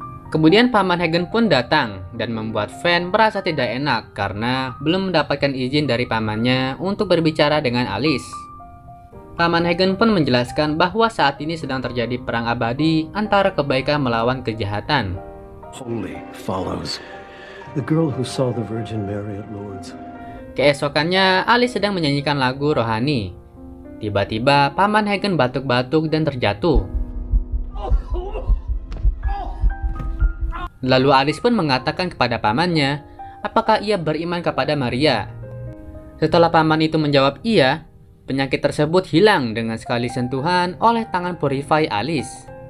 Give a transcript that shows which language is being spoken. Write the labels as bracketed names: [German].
[Indonesian] Kemudian Paman Hagen pun datang dan membuat Fan merasa tidak enak karena belum mendapatkan izin dari pamannya untuk berbicara dengan Alice. Paman Hagen pun menjelaskan bahwa saat ini sedang terjadi perang abadi antara kebaikan melawan kejahatan. [English] Holy follows the girl who saw the Virgin Mary at Lourdes. [Indonesian] Keesokannya Alice sedang menyanyikan lagu rohani. Tiba-tiba Paman Hagen batuk-batuk dan terjatuh. Lalu Alice pun mengatakan kepada pamannya apakah ia beriman kepada Maria. Setelah paman itu menjawab iya, penyakit tersebut hilang dengan sekali sentuhan oleh tangan [English] purify [Indonesian] Alice.